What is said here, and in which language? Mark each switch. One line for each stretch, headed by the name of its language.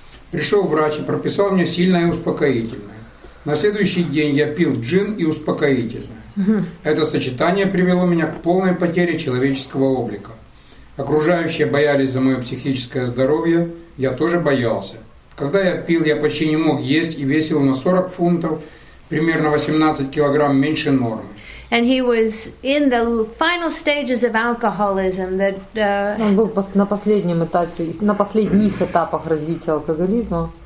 Russian: Пришел врач и прописал мне сильное успокоительное. На следующий день я пил джин и успокоительное. Это сочетание привело меня к полной потере человеческого облика. Окружающие боялись за мое психическое здоровье, я тоже боялся. Когда я пил, я почти не мог есть и весил на 40 фунтов, примерно 18 килограмм меньше нормы.
English: And he was in the final stages of alcoholism.
Russian: Он был на последнем этапе, на последних этапах развития алкоголизма.